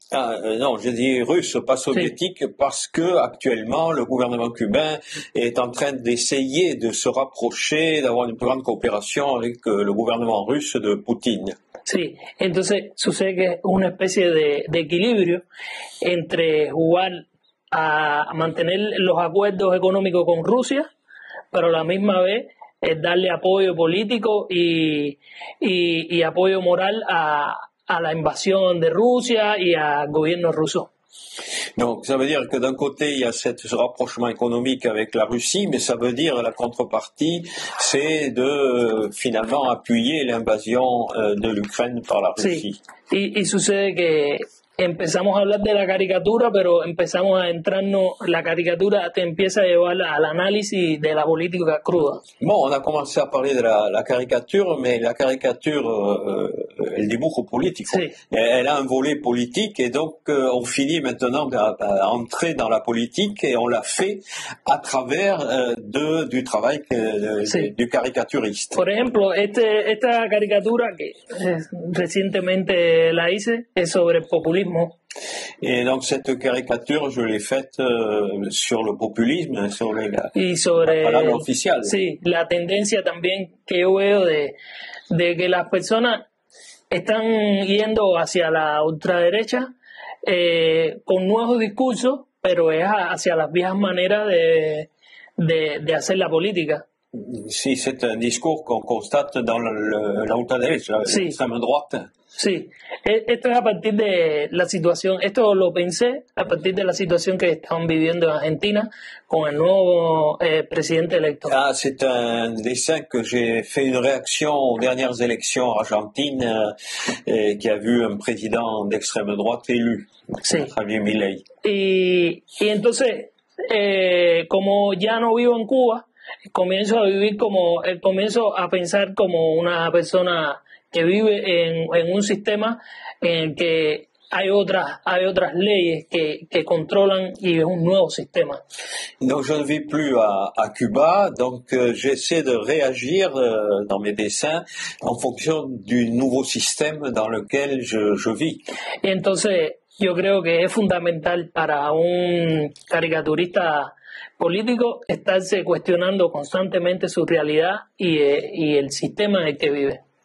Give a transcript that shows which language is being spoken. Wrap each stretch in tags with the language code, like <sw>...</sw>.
<fr>Ah, non, j'ai dit russe, pas soviétique, sí. Parce que actuellement le gouvernement cubain est en train d'essayer de se rapprocher, d'avoir une plus grande coopération avec le gouvernement russe de Poutine.</fr> <es>Sí, entonces sucede que una especie de equilibrio entre jugar a mantener los acuerdos económicos con Rusia, pero a la misma vez es darle apoyo político y apoyo moral a la invasión de Rusia y al gobierno ruso.</es> <fr>Donc, ça veut dire que d'un côté, il y a ce rapprochement économique avec la Russie, mais ça veut dire la contrepartie, c'est de finalement appuyer l'invasion de l'Ukraine par la Russie.</fr> <es>Sí. Y sucede que empezamos a hablar de la caricatura, pero empezamos a entrarnos, la caricatura te empieza a llevar al análisis de la política cruda.</es> <fr>Bon, on a commencé a parler de la caricature, mais la caricature,</fr> <es>el dibujo político, sí.</es> <fr>Elle a un volet politique, et donc on finit maintenant à entrer dans la politique, et on l'a fait à travers du travail du caricaturiste.</fr> <es>Por ejemplo, esta caricatura que recientemente la hice es sobre populismo.</es> <fr>Et donc cette caricature, je l'ai faite sur le populisme, sur la parole officielle.</fr> <es>Sí, la tendencia también que yo veo de que las personas están yendo hacia la ultraderecha con nuevos discursos, pero es hacia las viejas maneras de hacer la política.</es> <fr>Sí, c'est un discours qu'on constate dans la ultraderecha,</fr> <es>sí.</es> <fr>L'extrême droite.</fr> <es>Sí, esto es a partir de la situación, esto lo pensé a partir de la situación que están viviendo en Argentina con el nuevo presidente electo.</es> <fr>Ah, c'est un dessin que j'ai fait une réaction aux dernières élections en Argentine qui a vu un président d'extrême droite élu,</fr> <es>sí.</es> <fr>Javier Milei.</fr> <es>Y entonces, como ya no vivo en Cuba, comienzo a vivir como, comienzo a pensar como una persona que vive en un sistema en el que hay otras leyes que controlan y es un nuevo sistema.</es> <fr>Donc je ne vis plus à Cuba, donc j'essaie de réagir dans mes dessins en fonction du nouveau système dans lequel je vis.</fr> <es>Y entonces yo creo que es fundamental para un caricaturista político estarse cuestionando constantemente su realidad y el sistema en el que vive.</es>